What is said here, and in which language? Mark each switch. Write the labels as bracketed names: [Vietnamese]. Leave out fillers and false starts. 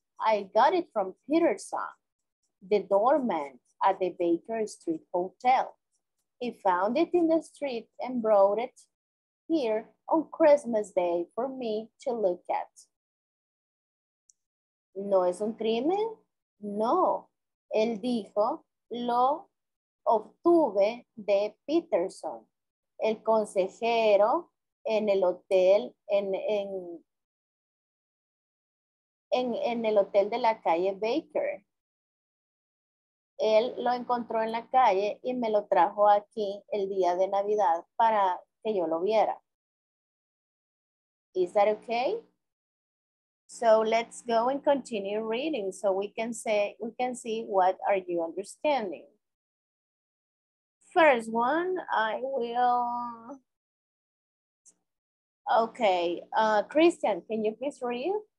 [English] I got it from Peterson, the doorman at the Baker Street Hotel. He found it in the street and brought it here on Christmas Day for me to look at. [Spanish] ¿No es un crimen? No. Él dijo, lo obtuve de Peterson, el consejero en el hotel, en el hotel de la calle Baker. Él lo encontró en la calle y me lo trajo aquí el día de Navidad para que yo lo viera. [English] Is that okay? So let's go and continue reading so we can see what are you understanding. First one, I will... Okay, Christian, can you please read?